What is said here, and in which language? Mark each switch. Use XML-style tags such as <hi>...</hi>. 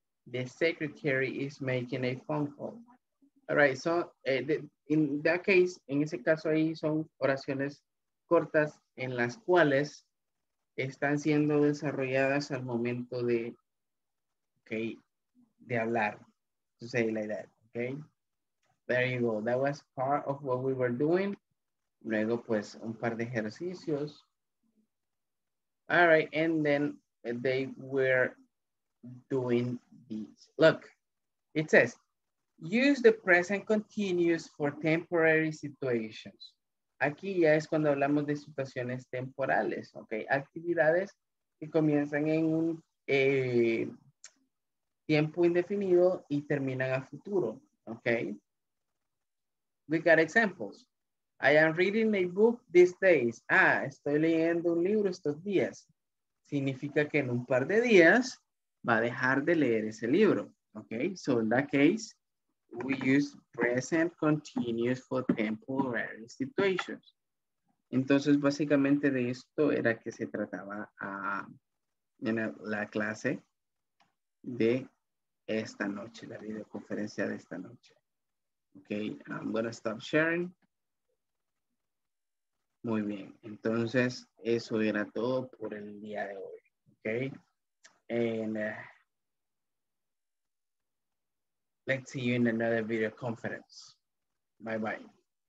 <en>The secretary is making a phone call. All right, so in that case,</en> <es>en ese caso ahí son oraciones cortas en las cuales están siendo desarrolladas al momento de, okay, de hablar.</es> <en>To say like that, okay? There you go. That was part of what we were doing.</en> <es>Luego, pues, un par de ejercicios.</es> <en>All right, and then they were doing these. Look, it says, use the present continuous for temporary situations.</en> <es>Aquí ya es cuando hablamos de situaciones temporales, ok? Actividades que comienzan en un tiempo indefinido y terminan a futuro, ok?</es> <en>We got examples. I am reading a book these days.</en> <es>Ah, estoy leyendo un libro estos días. Significa que en un par de días va a dejar de leer ese libro, ok?</es> <en>So in that case, we use present continuous for temporary situations.</en> <es>Entonces, básicamente de esto era que se trataba en la clase de esta noche, la videoconferencia de esta noche.</es> <en>Okay, I'm gonna stop sharing.</en> <es>Muy bien, entonces eso era todo por el día de hoy.</es> <en>Okay, and let's see you in another video conference. Bye bye.</en>